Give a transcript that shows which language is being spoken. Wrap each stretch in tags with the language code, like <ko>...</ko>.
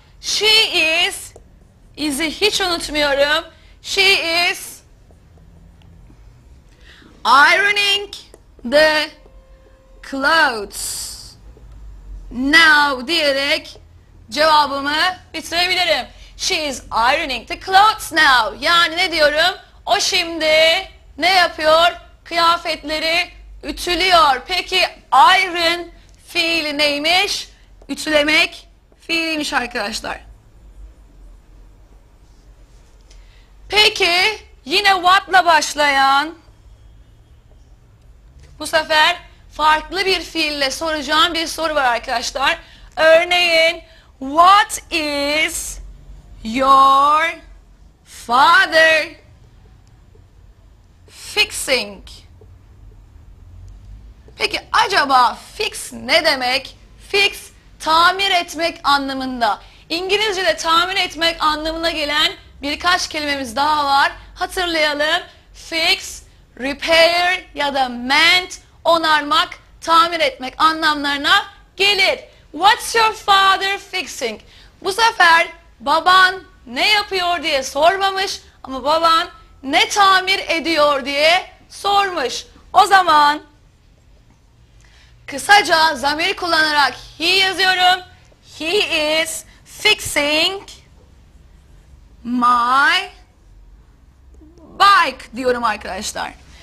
<en>She is,</en> <tr>is'i hiç unutmuyorum.</tr> <en>She is ironing the clothes now</en> <tr>diyerek cevabımı bitirebilirim.</tr> <en>She is ironing the clothes now.</en> <tr>Yani ne diyorum? O şimdi ne yapıyor? Kıyafetleri ütülüyor. Peki iron fiili neymiş? Ütülemek fiiliymiş arkadaşlar. Peki yine what'la başlayan, bu sefer farklı bir fiille soracağım bir soru var arkadaşlar.</tr> <en>Örneğin what is your father fixing?</en> <tr>Peki acaba fix ne demek? Fix tamir etmek anlamında. İngilizce'de tamir etmek anlamına gelen birkaç kelimemiz daha var. Hatırlayalım. Fix, repair ya da mend, onarmak, tamir etmek anlamlarına gelir.</tr> <en>What's your father fixing?</en> <tr>Bu sefer baban ne yapıyor diye sormamış ama baban ne tamir ediyor diye sormuş. O zaman kısaca zamir kullanarak he yazıyorum.</tr> <en>He is fixing my bike</en> <tr>diyorum arkadaşlar.</tr>